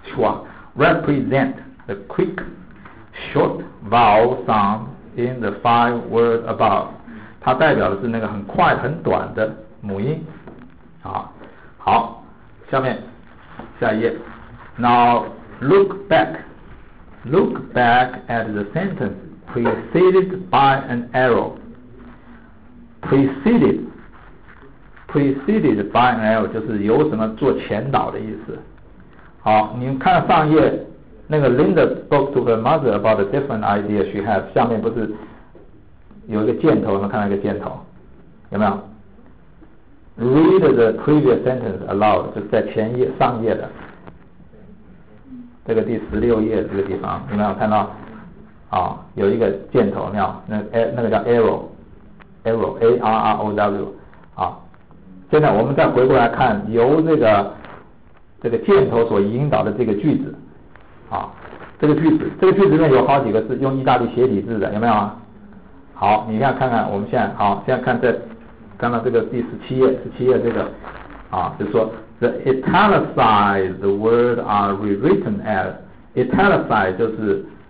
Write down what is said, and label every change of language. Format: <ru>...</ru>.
<en>schwa represent the quick short vowel sound。 In the five words above，</en> <zh>它代表的是那个很快很短的母音。好，下面下一页。</zh> <en>Now look back at the sentence preceded by an arrow. Preceded by an arrow</en> <zh>就是有什么做前导的意思。好，你们看上一页。那个</zh> <en>Linda spoke to her mother about a different idea she has，</en> <zh>下面不是有一个箭头，有没有看到一个箭头？有没有</zh> <en>read the previous sentence aloud，</en> <zh>就是在前页上页的这个第十六页这个地方，有没有看到啊？有一个箭头，有没有？那个叫 arrow A-R-R-O-W。好，现在我们再回过来看由这个箭头所引导的这个句子啊，这个句子里面有好几个字用意大利斜体字的，有没有啊？好，你现在看看，我们现在好，现在看在刚刚这个第十七页这个啊，就说</zh> <en>the italicized word are rewritten as italicized</en> <zh>就是</zh>